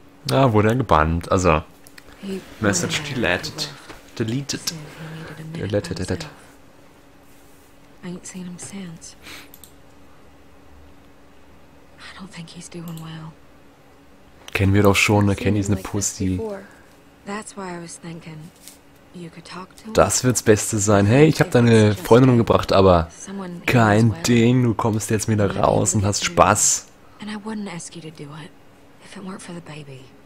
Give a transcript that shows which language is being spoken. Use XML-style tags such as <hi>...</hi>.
<de>Ah, wurde er gebannt. Also,</de> <en>message deleted. Deleted. Deleted. I ain't seen him since. I don't think he's doing well.</en> <de>Kennen wir doch schon, Kenny's eine Pussy.</de> <en>That's why I was thinking you could talk to him.</en> <de>Das wird's Beste sein. Hey, ich hab deine Freundin umgebracht, aber kein Ding, du kommst jetzt wieder raus und hast Spaß.</de> <en>And I wouldn't ask you to do it if it weren't for the baby.</en>